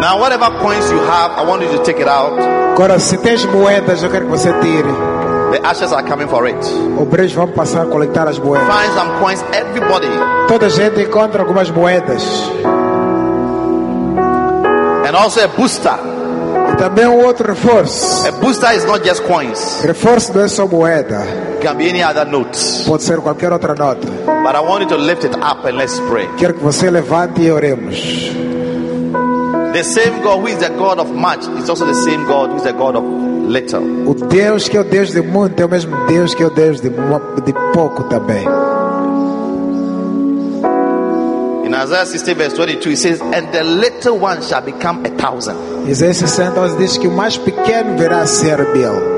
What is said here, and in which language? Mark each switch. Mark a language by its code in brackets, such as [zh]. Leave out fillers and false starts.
[en] Now, whatever coins you have, I want you to take it out. [pt] Agora, se tens moedas, eu quero que você tire. [en] The ashes are coming for it. [pt] Obreiros vão passar a coletar as moedas. [en] Find some coins, everybody. [pt] Toda gente encontra algumas moedas. [en] And also a booster. [pt] E também outro reforço. [en] A booster is not just coins. [pt] Reforço não é só moeda. [en] It can be any other notes. [pt] Pode ser qualquer outra nota. [en] But I want you to lift it up and let's pray. [pt] Quero que você levante e oremos. [en] The same God who is the God of much is also the same God who is the God of little. [pt] O Deus que é o Deus de muito é o mesmo Deus que é o Deus de pouco também. [en] In Isaiah 60 verse 22 it says, and the little one shall become a thousand. [pt] Isaías 60 diz que o mais pequeno virá a ser mil.